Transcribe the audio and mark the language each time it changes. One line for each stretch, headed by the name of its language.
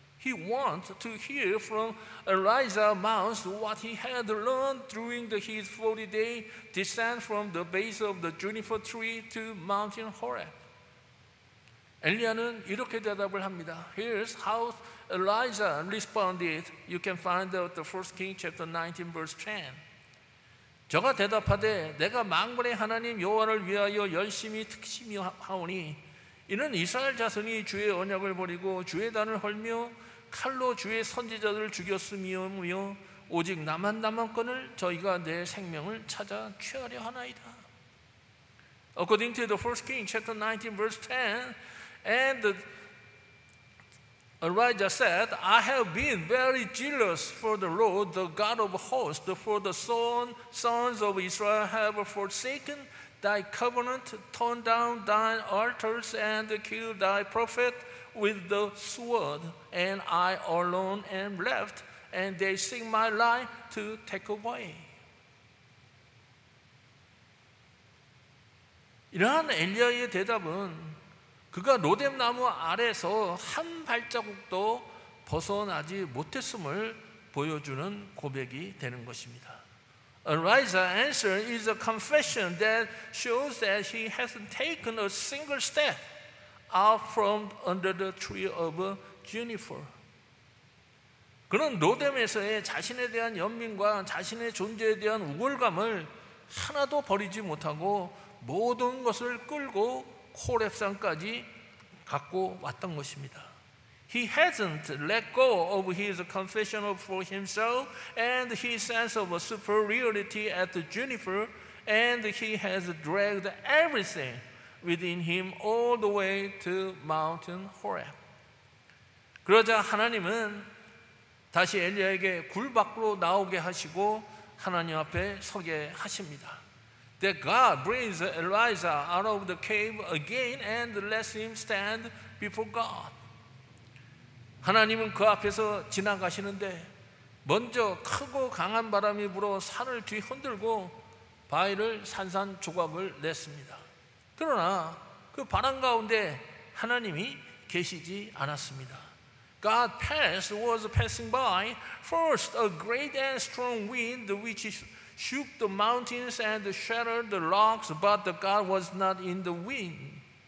English: He wants to hear from Elijah's mouth what he had learned during his 40-day descent from the base of the juniper tree to Mount Horeb.
Korean: 엘리야는 이렇게 대답을 합니다.
English: Here's how Elijah responded. You can find out the 1 Kings chapter 19 verse 10.
Korean: 저가 대답하되 내가 만군의 하나님 여호와를 위하여 열심히 특심하오니 이는 이스라엘 자손이 주의 언약을 버리고 주의 단을 헐며 칼로 주의 선지자들을 죽였음이며 오직 나만 남았거늘 저희가 내 생명을 찾아 취하려 하나이다.
English: According to the 1 Kings chapter 19 verse 10, and Elijah said, I have been very zealous for the Lord, the God of hosts, for the sons of Israel have forsaken thy covenant, torn down thine altars, and killed thy prophet with the sword, and I alone am left, and they seek my life to take away.
Korean: 이러한 엘리야의 대답은 그가 로뎀 나무 아래서 한 발자국도 벗어나지 못했음을 보여주는 고백이 되는 것입니다.
English: Elijah's answer is a confession that shows that he hasn't taken a single step out from under the tree of juniper.
Korean: 그는 로뎀에서의 자신에 대한 연민과 자신의 존재에 대한 우월감을 하나도 버리지 못하고 모든 것을 끌고 호렙산까지 갖고 왔던 것입니다.
English: He hasn't let go of his confession for himself and his sense of superiority at the juniper and he has dragged everything within him all the way to Mount Horeb.
Korean: 그러자 하나님은 다시 엘리야에게 굴 밖으로 나오게 하시고 하나님 앞에 서게 하십니다.
English: that God brings Elijah out of the cave again and lets him stand before God.
Korean: 하나님은 그 앞에서 지나가시는데 먼저 크고 강한 바람이 불어 산을 뒤흔들고 바위를 산산조각을 냈습니다. 그러나 그 바람 가운데 하나님이 계시지 않았습니다.
English: God passed, was passing by, first a great and strong wind which shook the mountains and shattered the rocks, but God was not in the wind.